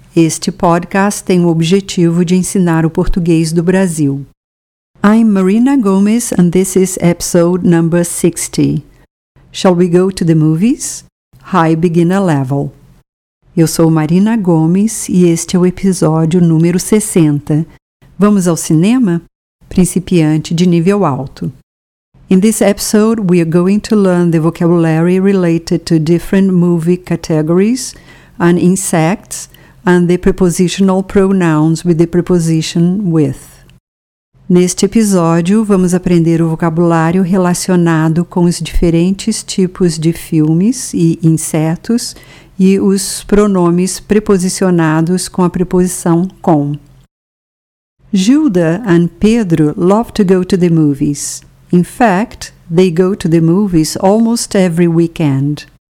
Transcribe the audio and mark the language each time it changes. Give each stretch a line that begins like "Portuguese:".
Portuguese: Este podcast tem o objetivo de ensinar o português do Brasil.
English: I'm Marina Gomes and this is episode number 60. Shall we go to the movies? High beginner level.
Portuguese: Eu sou Marina Gomes e este é o episódio número 60. Vamos ao cinema? Principiante de nível alto.
English: In this episode, we are going to learn the vocabulary related to different movie categories and insects and the prepositional pronouns with the preposition with.
Portuguese: Neste episódio, vamos aprender o vocabulário relacionado com os diferentes tipos de filmes e insetos e os pronomes preposicionados com a preposição com.
English: Gilda and Pedro love to go to the movies. In fact, they go to the movies almost every weekend.